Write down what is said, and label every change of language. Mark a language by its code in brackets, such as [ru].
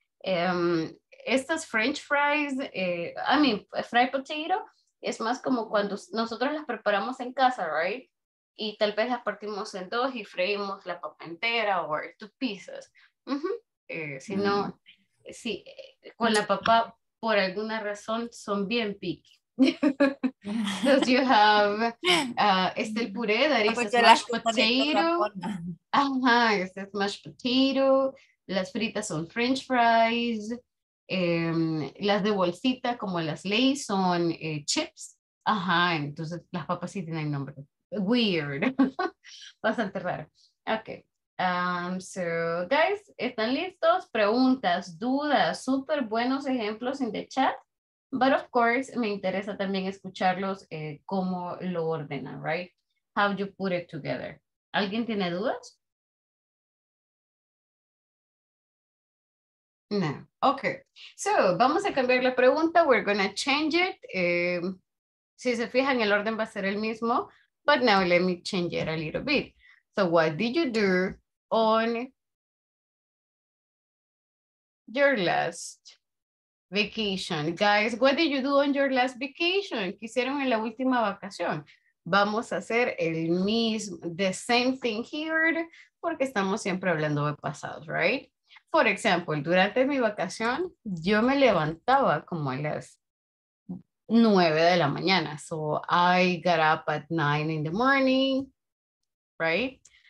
[es] Estas French fries, fried potato, es más como cuando nosotros las preparamos en casa, right? Y tal vez las partimos en dos y freímos la papa entera o [en] two pieces. [es] Mm-hmm. Con la papa, por alguna razón, son bien picky. [en] Because you have el puré, that is a smashed potato. Ajá, it's a smashed potato. [es] Las fritas son [en] French fries. [es] Las de bolsita, como las Lay's, son chips. Ajá, entonces las papas sí tienen nombre. Weird. Bastante raro. Okay. So, guys, ¿están listos? Preguntas, dudas, súper buenos ejemplos en el chat. [en] But of course, [es] me interesa también escucharlos cómo lo ordenan, right? [en] How you put it together. [es] ¿Alguien tiene dudas? [en] No. Okay. So, [es] vamos a cambiar la pregunta. [en] We're going to change it. [es] Si se fijan, el orden va a ser el mismo. [en] But now let me change it a little bit. So what did you do on your last vacation? Guys, what did you do on your last vacation? [es] ¿Qué hicieron en la última vacación? Vamos a hacer el mismo, [en] the same thing here, [es] porque estamos siempre hablando de pasados, right? [en] For example, [es] durante mi vacación, yo me levantaba como a las 9 de la mañana. [en] So I got up at 9 in the morning, right?